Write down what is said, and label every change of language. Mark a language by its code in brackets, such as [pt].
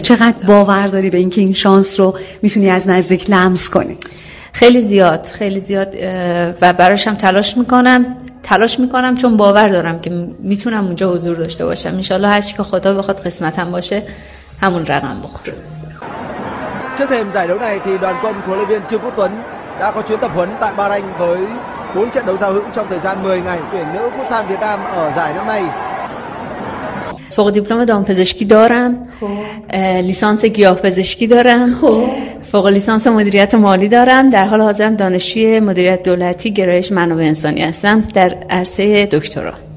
[fa] چقدر باور داری به اینکه این شانس رو میتونی از نزدیک لمس کنی؟ خیلی زیاد، خیلی زیاد، و براشم تلاش میکنم چون باور دارم که میتونم اونجا حضور داشته باشم. انشالله هرچی که خدا بخواد قسمتم باشه همون رقم بخوره. [vi] Trước thềm giải đấu này thì đoàn quân của huấn luyện viên Trương Quốc Tuấn đã có chuyến tập huấn tại Bahrain với 4 trận đấu giao hữu trong thời gian 10 ngày. Tuyển nữ Futsal Việt Nam ở giải năm nay. [fa] فوق دیپلم دامپزشکی دارم. لیسانس گیاهپزشکی دارم. فوق لیسانس مدیریت مالی دارم. در حال حاضرم دانشجوی مدیریت دولتی گرایش منابع انسانی هستم در عرصه دکترا.